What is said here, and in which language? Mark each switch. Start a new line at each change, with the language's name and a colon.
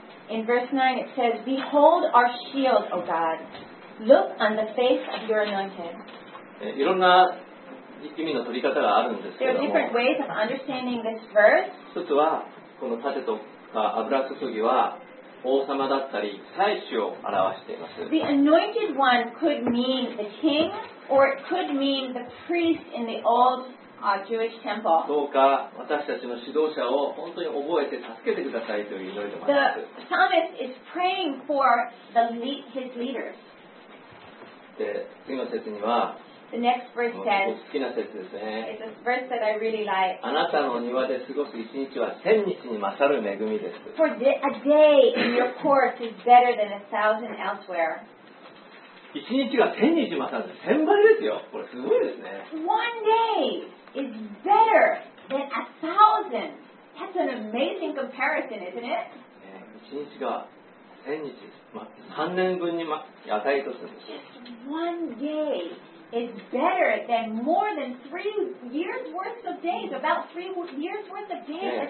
English: In verse 9 it says, Behold our shield, O God. Look on the face of your anointed.
Japanese: いろんな意味の取り方があるんですけども、
English: There are different ways of understanding this verse.
Japanese: 一つはこの盾とか油注ぎは王様だったり祭司を表しています。
English: The anointed one could mean the king or it could mean the priest in the old Jewish temple.
Japanese: どうか私たちの指導者を本当に覚えて助けてくださいという祈りでもあります。
English: The psalmist is praying for his leaders.
Japanese: で次の節には、
English: The next verse says, it's a verse that I really like.
Japanese: あなたの庭で過ごす一日は千日に勝る恵みです。
English: For a day in your courts is better than a thousand elsewhere.
Japanese: 一日が千日勝る、千倍ですよ。これすごいですね。
English: One day is better than a thousand. That's an amazing comparison, isn't it?
Japanese: 一日が千日、3年分に値とするんです。
English: Just one day. is better than more than 3 years worth of days, about 3 years worth of days.